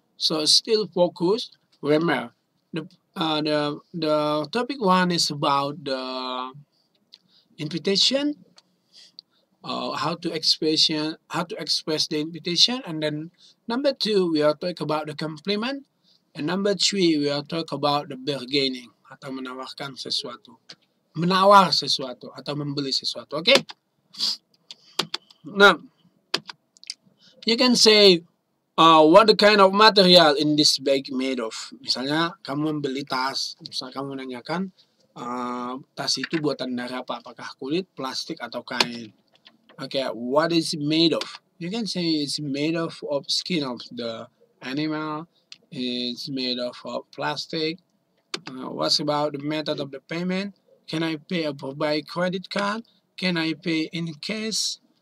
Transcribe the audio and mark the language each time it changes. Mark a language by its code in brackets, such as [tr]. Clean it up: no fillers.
[en] So still focus. Remember, the topic one is about the invitation, how to express the invitation, and then number two we are talk about the compliment, and number three we are talk about the bargaining [id] atau menawarkan sesuatu, menawar sesuatu atau membeli sesuatu. [en] Okay. Now, you can say, what kind of material in this bag made of? [id] Misalnya, kamu membeli tas. Misalnya, kamu menanyakan, tas itu buatan dari apa? Apakah kulit, plastik, atau kain? [en] Okay, what is it made of? You can say it's made of skin of the animal. It's made of plastic. What's about the method of the payment? Can I pay by credit card? Can I pay in cash?